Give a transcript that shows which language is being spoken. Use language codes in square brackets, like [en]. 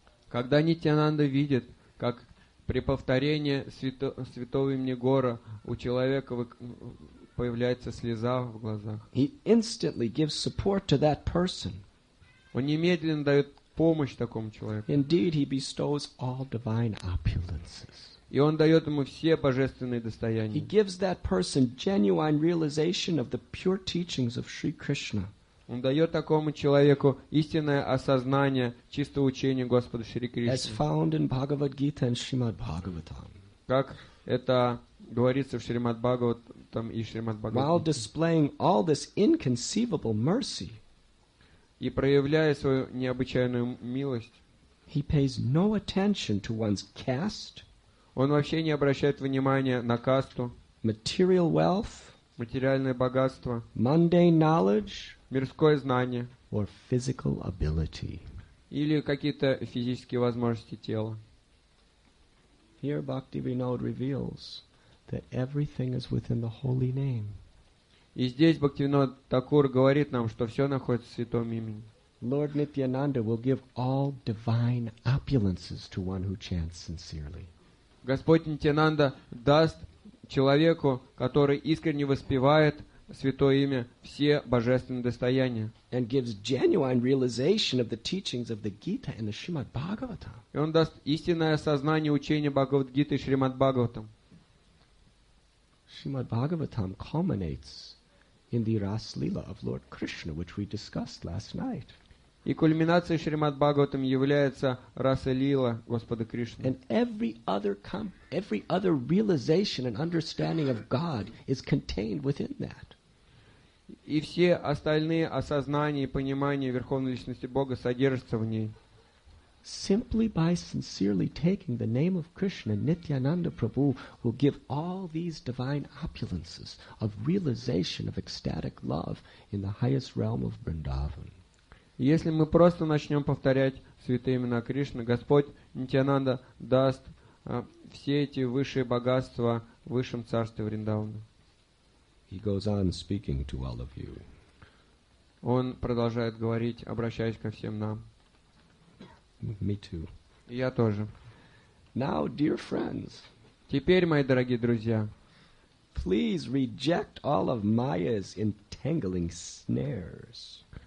[ru] Когда Нитьянанда видит, как при повторении святого имени Гора у человека появляется слеза в глазах. [en] He instantly gives support to that person. [ru] Он немедленно дает помощь такому человеку. [en] Indeed, he bestows all divine opulences. [ru] И он дает ему все божественные достояния. [en] He gives that person genuine realization of the pure teachings of Sri Krishna. [ru] Он дает такому человеку истинное осознание чистого учения Господа Шри Кришны. [en] As found in Bhagavad Gita and Srimad Bhagavatam. [ru] как это говорится в Шримад Бхагаватам и Шримад Бхагаватам. [en] While displaying all this inconceivable mercy, [ru] и проявляя свою необычайную милость, [en] he pays no attention to one's caste, [ru] он вообще не обращает внимания на касту, [en] material wealth, [ru] материальное богатство, [en] mundane knowledge, [ru] мирское знание, [en] or physical ability, [ru] или какие-то физические возможности тела. [en] Here Bhaktivinoda reveals that everything is within the holy name. [ru] И здесь Бхактивинод Такур говорит нам, что все находится в святом имени. [en] Lord Nityananda will give all divine opulences to one who chants sincerely. [ru] Господь Нитьянанда даст человеку, который искренне воспевает святое имя, все божественные достояния. [en] And gives genuine realization of the teachings of the Gita and the Shrimad Bhagavatam. [ru] И он даст истинное осознание учения Бхагавад-гиты и Шримад Бхагаватам. [en] Shrimad Bhagavatam culminates in the Rasa-lila of Lord Krishna, which we discussed last night. [ru] И кульминацией Шримад Бхагаватам является Раса-лила Господа Кришны. [en] And every other realization and understanding of God is contained within that. [ru] И все остальные осознания и понимания Верховной Личности Бога содержатся в ней. [en] Simply by sincerely taking the name of Krishna, Nityananda Prabhu will give all these divine opulences of realization of ecstatic love in the highest realm of Vrindavan. [ru] Если мы просто начнем повторять святые имена Кришны, Господь Нитьянанда даст все эти высшие богатства в высшем царстве Вриндавана. [en] He goes on speaking to all of you. [ru] Он продолжает говорить, обращаясь ко всем нам. [en] Me too. [ru] Я тоже. [en] Now, dear friends, [ru] теперь, мои дорогие друзья, [en] please reject all of Maya's entangling snares.